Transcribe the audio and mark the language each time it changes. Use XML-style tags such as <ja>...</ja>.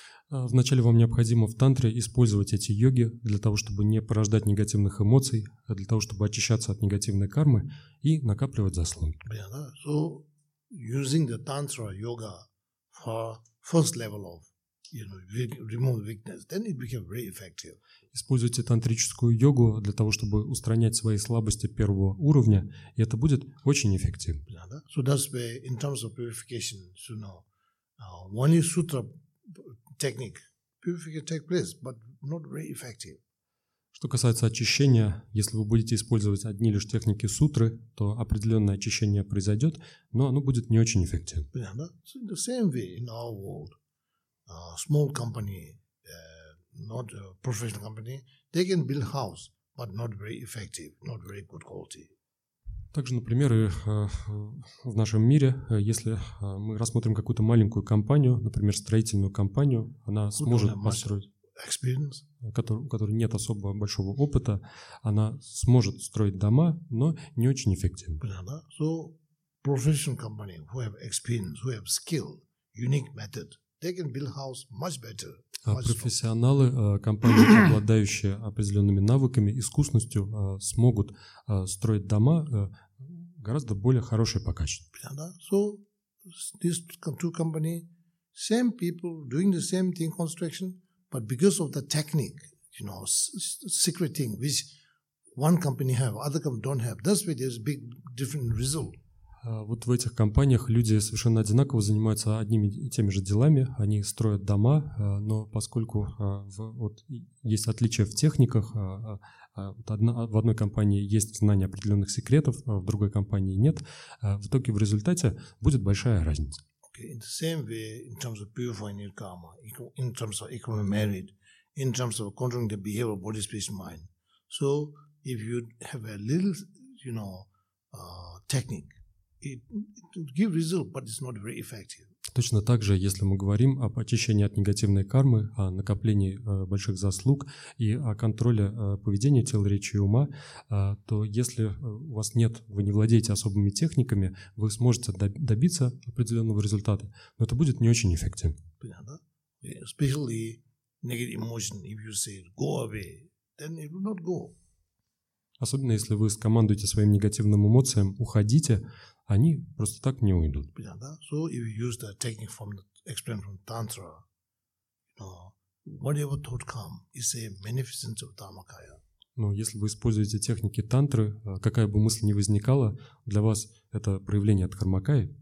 <ru>Вначале вам необходимо в тантре использовать эти йоги для того, чтобы не порождать негативных эмоций, для того, чтобы очищаться от негативной кармы и накапливать заслуги.</ru> <en>So, using the tantra yoga for first level of, you know, remove weakness, then it became very effective.</en> <ru>Используйте тантрическую йогу для того, чтобы устранять свои слабости первого уровня, и это будет очень эффективно.</ru> <en>So that's where, in terms of purification, you know, only sutra technique, purification take place, but not very effective.</en> <ru>Что касается очищения, если вы будете использовать одни лишь техники сутры, то определенное очищение произойдет, но оно будет не очень эффективно.</ru> <en>So in the same way, in our world, small company, not a professional company, they can build house, but not very effective, not very good quality.</en> <ru>Также, например, в нашем мире, если мы рассмотрим какую-то маленькую компанию, например, строительную компанию, она сможет построить...</ru> <en>Experience.</en> <ru>У которой нет особо большого опыта, она сможет строить дома, но не очень эффективно. Понятно.</ru> <en>So, professional company who have experience, who have skill, unique method, they can build house much better.</en> <ru>Профессионалы, компании, обладающие определенными навыками, искусностью, смогут строить дома гораздо более хорошие по качеству.</ru> <en>So, these two companies, same people doing the same thing construction, but because of the technique, you know, secret thing, which one company have, other company don't have, that's why there's big different result.</en> <ru>Вот в этих компаниях люди совершенно одинаково занимаются одними и теми же делами. Они строят дома, но поскольку вот есть отличия в техниках, в одной компании есть знание определенных секретов, в другой компании нет, в итоге в результате будет большая разница.</ru> <en>Okay, in the same way, in terms of purifying your karma, in terms of equal merit, in terms of controlling the behavior of body, space, mind. So, if you have a little, you know, technique, it give result, but it's not very effective.</en> <ru>Точно так же, если мы говорим об очищении от негативной кармы, о накоплении больших заслуг и о контроле поведения тела, речи и ума, то если у вас нет, вы не владеете особыми техниками, вы сможете добиться определенного результата, но это будет не очень эффективно. Понятно?</ru> <en>Especially negative emotion, if you say go away, then it will not go.</en> <ru>Особенно если вы скомандуете своим негативным эмоциям «уходите», они просто так не уйдут. Yeah, да?</ru> <en>So if you use the technique from the experience from tantra, you know, whatever thought come, it's a manifestation of dharmakaya.</en> <ru>Но если вы используете техники тантры, какая бы мысль ни возникала, для вас это проявление дхармакая.</ru>